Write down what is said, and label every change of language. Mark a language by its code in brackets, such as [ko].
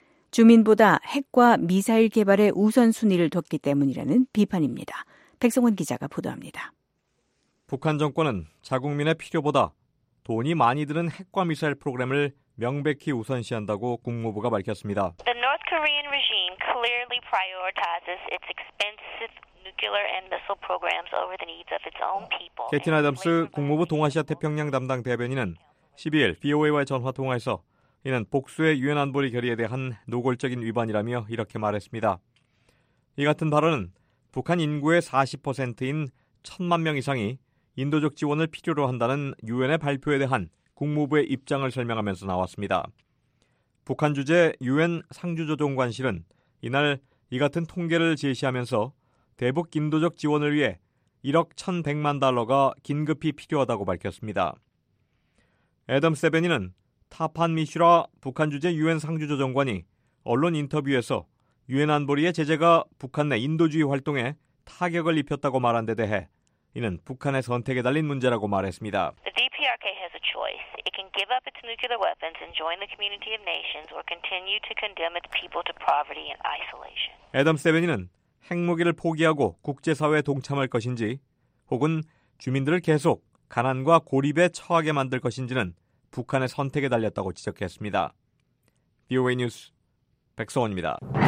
[ko] 주민보다 핵과 미사일 개발의 우선순위를 뒀기 때문이라는 비판입니다. 백성원 기자가 보도합니다. 북한 정권은 자국민의 필요보다 돈이 많이 드는 핵과 미사일 프로그램을 명백히 우선시한다고 국무부가 밝혔습니다. [en] The North Korean regime clearly prioritizes its expensive nuclear and missile programs over the needs of its own people. [ko] 캐티나 덤스 국무부 동아시아 태평양 담당 대변인은 12일 VOA와의 전화 통화에서 이는 복수의 유엔 안보리 결의에 대한 노골적인 위반이라며 이렇게 말했습니다. 이 같은 발언은 북한 인구의 40%인 1천만 명 이상이 인도적 지원을 필요로 한다는 유엔의 발표에 대한 국무부의 입장을 설명하면서 나왔습니다. 북한 주재 유엔 상주조정관실은 이날 이 같은 통계를 제시하면서 대북 인도적 지원을 위해 1억 1,100만 달러가 긴급히 필요하다고 밝혔습니다. 애덤 세베니는 타판 미슈라 북한 주재 유엔 상주조정관이 언론 인터뷰에서 유엔 안보리의 제재가 북한 내 인도주의 활동에 타격을 입혔다고 말한 데 대해 이는 북한의 선택에 달린 문제라고 말했습니다. [en] The DPRK has a choice. It can give up its nuclear weapons and join the community of nations or continue to condemn its people to poverty and isolation. [ko] 애덤 세베니는 핵무기를 포기하고 국제사회에 동참할 것인지 혹은 주민들을 계속 가난과 고립에 처하게 만들 것인지는 북한의 선택에 달렸다고 지적했습니다. VOA 뉴스 백성원입니다.